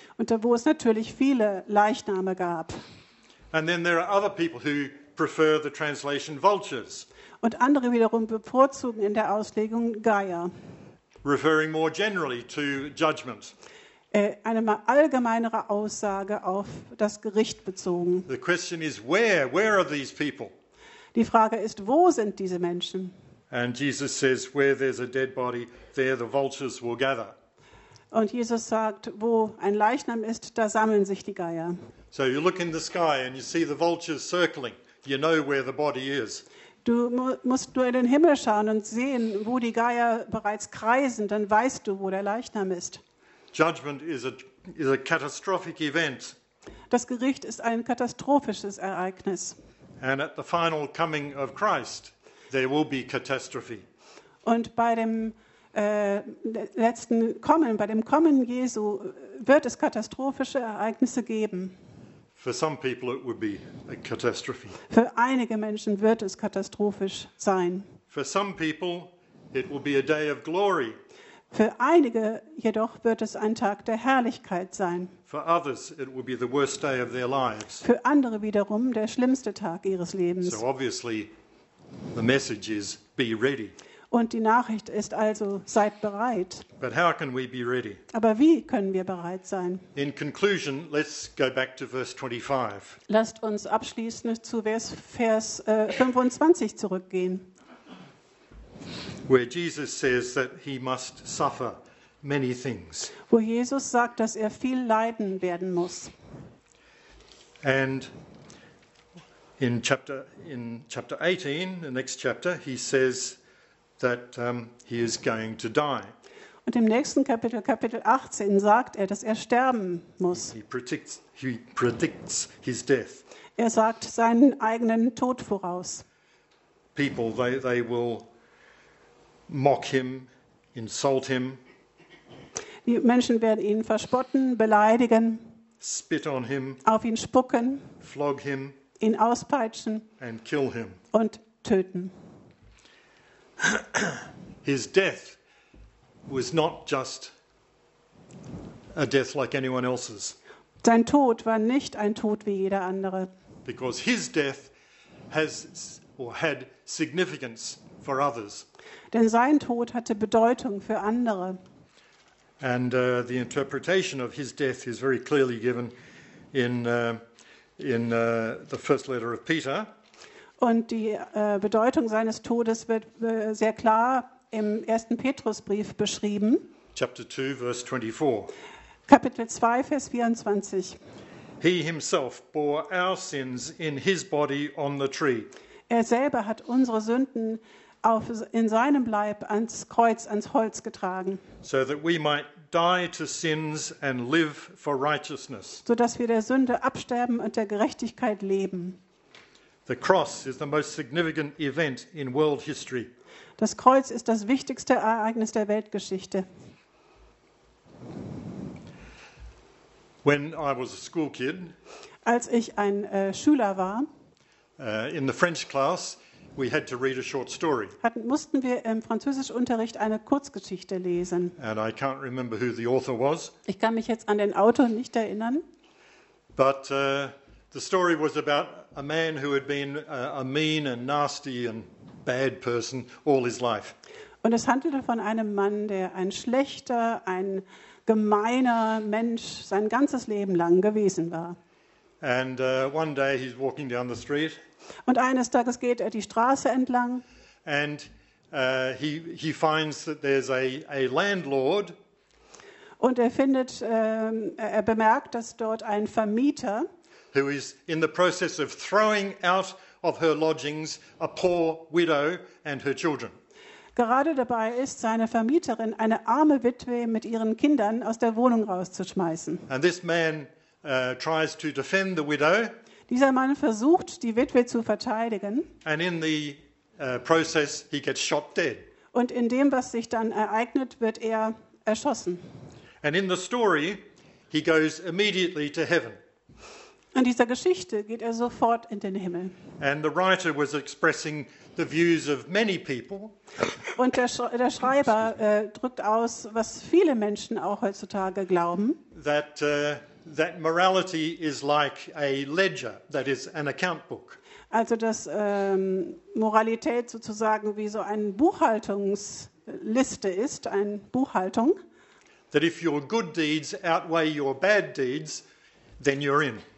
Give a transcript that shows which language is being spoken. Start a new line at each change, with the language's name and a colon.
German: Und da, wo es natürlich viele Leichname gab.
English: And then there are other people who prefer the translation vultures.
German: Und andere wiederum bevorzugen in der Auslegung Geier.
English: Referring more generally to judgment.
German: Eine allgemeinere Aussage auf das Gericht bezogen.
English: The question is where are these people?
German: Die Frage ist, wo sind diese Menschen?
English: And Jesus says, where there's a dead body, there the vultures will gather.
German: Und Jesus sagt, wo ein Leichnam ist, da sammeln sich die Geier.
English: So you look in the sky and you see the vultures circling. You know where the body is.
German: Du musst nur in den Himmel schauen und sehen, wo die Geier bereits kreisen, dann weißt du, wo der Leichnam ist.
English: Judgment is a catastrophic event.
German: Das Gericht ist ein katastrophisches Ereignis.
English: And at the final coming of Christ, there will be catastrophe.
German: Und bei dem letzten Kommen, bei dem Kommen Jesu, wird es katastrophische Ereignisse geben.
English: For some people it would be a catastrophe.
German: Für einige Menschen wird es katastrophisch sein.
English: For some people it will be a day of glory.
German: Für einige jedoch wird es ein Tag der Herrlichkeit sein.
English: For others it will be the worst day of their lives.
German: Für andere wiederum der schlimmste Tag ihres Lebens.
English: So obviously the message is be ready.
German: Und die Nachricht ist also, seid bereit.
English: But how can we be ready?
German: Aber wie können wir bereit sein?
English: In conclusion, let's go back to verse 25.
German: Lasst uns abschließend zu Vers 25 zurückgehen.
English: Where Jesus says that he must suffer many things.
German: Wo Jesus sagt, dass er viel leiden werden muss.
English: And in chapter 18, the next chapter, he says that he is going to die.
German: Und im nächsten Kapitel, Kapitel 18, sagt er, dass er sterben muss.
English: He predicts his death.
German: Er sagt seinen eigenen Tod voraus.
English: People, they will mock him, insult him.
German: Die Menschen werden ihn verspotten, beleidigen.
English: Spit on him.
German: Auf ihn spucken.
English: Flog him.
German: Ihn auspeitschen.
English: And kill him.
German: Und töten.
English: His death was not just a death like anyone else's.
German: Sein Tod war nicht ein Tod wie jeder andere.
English: Because his death has or had significance for others.
German: Denn sein Tod hatte Bedeutung für andere.
English: And the interpretation of his death is very clearly given in the first letter of Peter.
German: Und die Bedeutung seines Todes wird sehr klar im ersten Petrusbrief beschrieben.
English: Chapter 2, verse 24.
German: Kapitel 2, Vers 24.
English: He himself bore our sins in his body on the tree.
German: Er selber hat unsere Sünden in seinem Leib ans Kreuz, ans Holz getragen.
English: So that we might die to sins and live for righteousness.
German: So dass wir der Sünde absterben und der Gerechtigkeit leben.
English: The cross is the most significant event in world history.
German: Das Kreuz ist das wichtigste Ereignis der Weltgeschichte.
English: When I was a school kid,
German: als ich ein Schüler war,
English: in the French class, we had to read a short story.
German: Mussten wir im Französischunterricht eine Kurzgeschichte lesen.
English: And I can't remember who the author was.
German: Ich kann mich jetzt an den Autor nicht erinnern.
English: But the story was about a man who had been a mean and nasty and bad person all his life.
German: Und es handelte von einem Mann, der ein schlechter, ein gemeiner Mensch sein ganzes Leben lang gewesen war.
English: And one day he's walking down the street.
German: Und eines Tages geht er die Straße entlang.
English: And he finds that there's a landlord.
German: Und er bemerkt, dass dort ein Vermieter
English: who is in the process of throwing out of her lodgings a poor widow and her children.
German: Gerade dabei ist seine Vermieterin, eine arme Witwe mit ihren Kindern aus der Wohnung rauszuschmeißen.
English: And this man tries to defend the widow.
German: Dieser Mann versucht, die Witwe zu verteidigen.
English: And in the process he gets shot dead.
German: Und in dem, was sich dann ereignet, wird er erschossen.
English: And in the story he goes immediately to heaven.
German: In dieser Geschichte geht er sofort in den Himmel.
English: And the writer was expressing the views of many people.
German: Und der Schreiber drückt aus, was viele Menschen auch heutzutage glauben.
English: That morality is like a ledger, that is an account book.
German: Also dass Moralität sozusagen wie so eine Buchhaltungsliste ist, eine Buchhaltung.
English: That if your good deeds outweigh your bad deeds, then you're in.